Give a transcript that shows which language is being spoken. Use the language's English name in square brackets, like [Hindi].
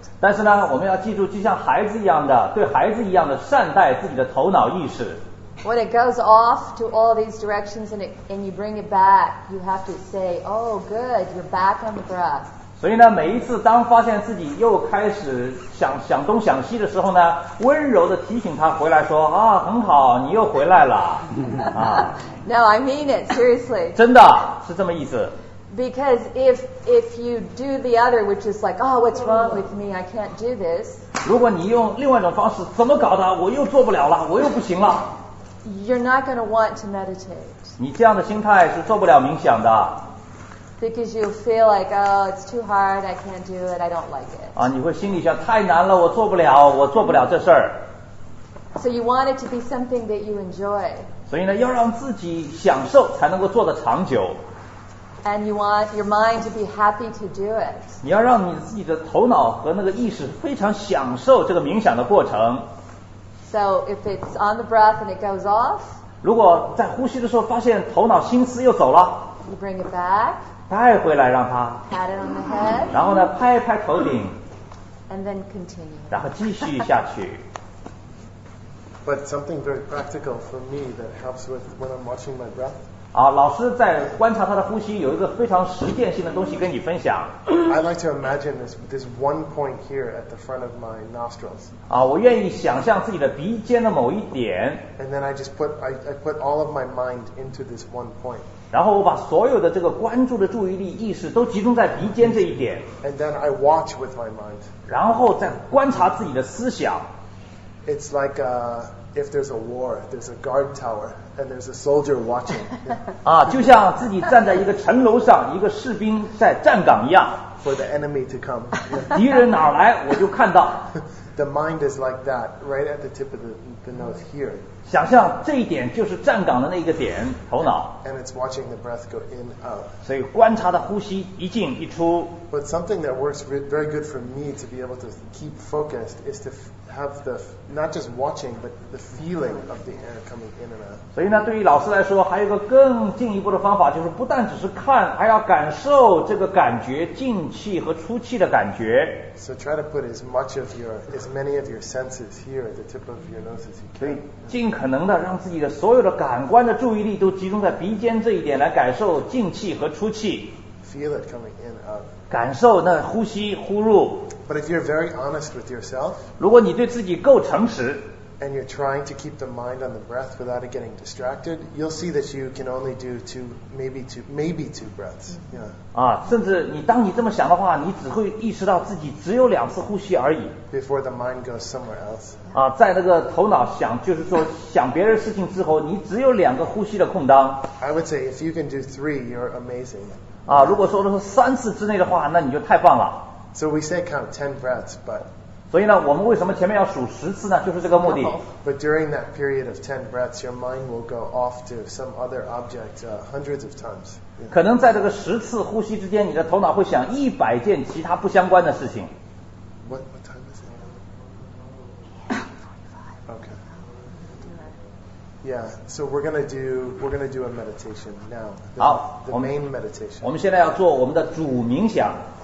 [Chinese] 但是呢，我们要记住，就像孩子一样的，对孩子一样的善待自己的头脑意识。 [English] When it goes off to all these directions and you bring it back, you have to say, oh, good, you're back on the breath. [Chinese] 所以呢，每一次当发现自己又开始想东想西的时候呢，温柔地提醒他回来说，啊，很好，你又回来了。 [English] No, I mean it, seriously. [Chinese] 真的，是这么意思。 [English] Because if you do the other, which is like, oh, what's wrong with me? I can't do this. [Chinese] 如果你用另外一种方式，怎么搞的？我又做不了了，我又不行了。 [English] You're not going to want to meditate. [Chinese] 你这样的心态是做不了冥想的。 [English] Because you feel like, oh, it's too hard, I can't do it, I don't like it. [Chinese] 啊，你会心里想，太难了，我做不了，我做不了这事儿。 [English] So you want it to be something that you enjoy. [Chinese] 所以呢，要让自己享受，才能够做得长久。 [English] And you want your mind to be happy to do it. [Chinese] 你要让你自己的头脑和那个意识非常享受这个冥想的过程。 [English] So if it's on the breath and it goes off, [Chinese] 如果在呼吸的时候发现头脑心思又走了， [English] you bring it back, [Chinese] 带回来让它， [English] pat it on the head, [Chinese] 然后呢拍一拍头顶， [English] and then continue, [Chinese] 然后继续下去。 [English] But something very practical for me that helps with when I'm watching my breath. [Chinese] 啊，老师在观察他的呼吸，有一个非常实践性的东西跟你分享。 [English] I like to imagine this one point here at the front of my nostrils. [Chinese] 啊，我愿意想象自己的鼻尖的某一点。 [English] And then I just put I put all of my mind into this one point. [Chinese] 然后我把所有的这个关注的注意力意识都集中在鼻尖这一点。 [English] And then I watch with my mind. [Chinese] 然后再观察自己的思想。 [English] It's like a if there's a war, there's a guard tower, and there's a soldier watching. [Chinese] 啊，就像自己站在一个城楼上，一个士兵在站岗一样。 [English] For the enemy to come. [Chinese] 敌人哪来，我就看到。 [English] The mind is like that, right at the tip of the nose here. [Chinese] 想象这一点就是站岗的那个点，头脑。 [English] And it's watching the breath go in out. [Chinese] 所以观察的呼吸一进一出。 [English] But something that works very good for me to be able to keep focused is to have the not just watching but the feeling of the air coming in and out. [Chinese] 所以呢，对于老师来说，还有一个更进一步的方法，就是不但只是看，还要感受这个感觉，进气和出气的感觉。 [English] So try to put as many of your senses here at the tip of your nose as you can. [Chinese] 所以尽可能的让自己的所有的感官的注意力都集中在鼻尖这一点，来感受进气和出气。 [English] Feel it coming in and out. [Chinese] 感受那呼吸呼入。 [English] But if you're very honest with yourself, [Chinese] 如果你对自己够诚实， [English] and you're trying to keep the mind on the breath without it getting distracted, you'll see that you can only do maybe two breaths. Yeah. [Chinese] 啊，甚至你当你这么想的话，你只会意识到自己只有两次呼吸而已。 [English] Before the mind goes somewhere else. [Chinese] 啊，在那个头脑想就是说想别的事情之后，你只有两个呼吸的空档。 [English] I would say if you can do three, you're amazing. [Chinese] 啊，如果说的是三次之内的话，那你就太棒了。 [English] So we say count 10 breaths, but. [Chinese] 所以呢，我们为什么前面要数十次呢？就是这个目的。 [English] But during that period of 10 breaths, your mind will go off to some other object hundreds of times. [Chinese] 可能在这个十次呼吸之间，你的头脑会想一百件其他不相关的事情。 [English] What time is it? 45. Okay. Yeah. So we're gonna do a meditation now. [Chinese] 好。 [English] The main meditation. [Chinese] 我们现在要做我们的主冥想。